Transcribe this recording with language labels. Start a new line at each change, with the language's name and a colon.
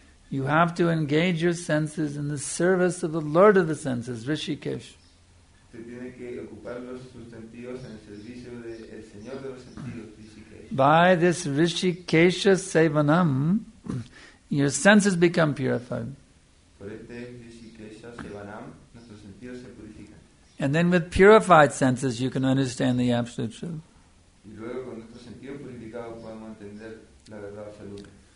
English: You have to engage your senses in the service of the Lord of the senses, Rishikesh.
Spanish: Se tiene que ocupar los sustentivos en el servicio del Señor de los sentidos, Rishikesh.
English: By this Rishikesha Sevanam, your senses become purified.
Spanish: Por este Rishikesha Sevanam, nuestros sentidos se purifican.
English: And then with purified senses, you can understand the Absolute Truth.
Spanish: Y luego con nuestros sentidos purificados podemos entender la verdad absoluta.